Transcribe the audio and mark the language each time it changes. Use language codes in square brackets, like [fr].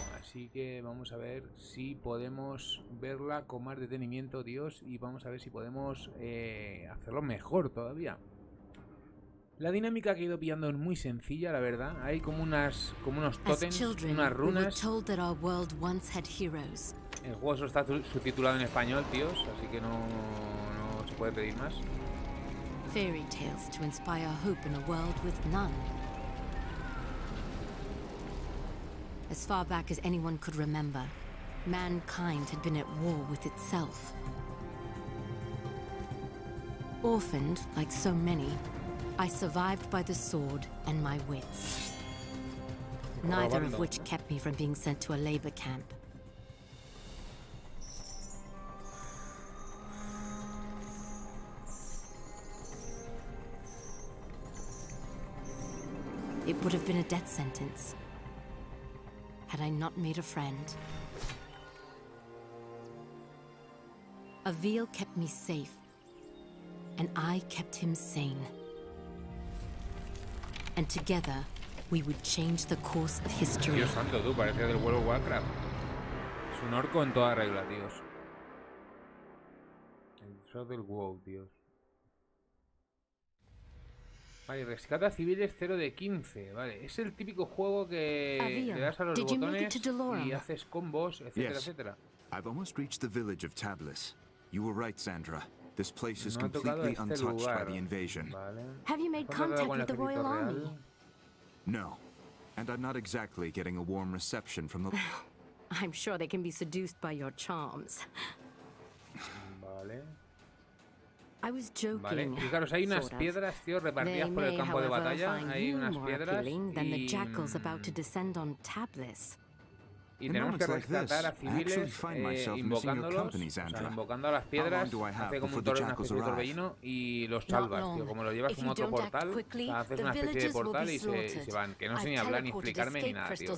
[es] Así que vamos a ver si podemos verla con más detenimiento, Dios, y vamos a ver si podemos hacerlo mejor todavía. La dinámica que he ido pillando es muy sencilla, la verdad. Hay como unas, como unos tótems, unas runas. El juego solo está subtitulado en español, tíos, así que no se puede pedir más. [en] Fairy tales to inspire hope in a world with none. As far back as anyone could remember, mankind had been at war with itself. Orphaned, like so many, I survived by the sword and my wits, neither of which kept me from being sent to a labor camp. It would have been a death sentence had I not made a friend. Avil kept me safe, and I kept him sane. And together, we would change the course of history. [es] Dios santo, tú, parecía del World of Warcraft. Es un orco en toda regla, Dios. El show del WoW, Dios. Vale, rescata civiles 0 de 15. Vale, es el típico juego que le das a los botones y haces combos, etcétera, etcétera. [en] I've almost reached the village of Tablas. You were right, Sandra. This place is completely untouched by the invasion. Have you made contact with the royal army? No, and I'm not exactly getting a warm reception from the. I'm sure they can be seduced by your charms. Vale. I was joking. Vale. [es] Fijaros, hay unas piedras, tío, repartidas por el campo de batalla. Hay unas piedras y tenemos que rescatar a civiles invocándolos, o sea, invocando a las piedras, hace como un torbellino y los salvas, tío, como lo llevas como otro portal, o sea, haces una especie de portal y se van, que no sé ni hablar ni explicarme ni nada, tío.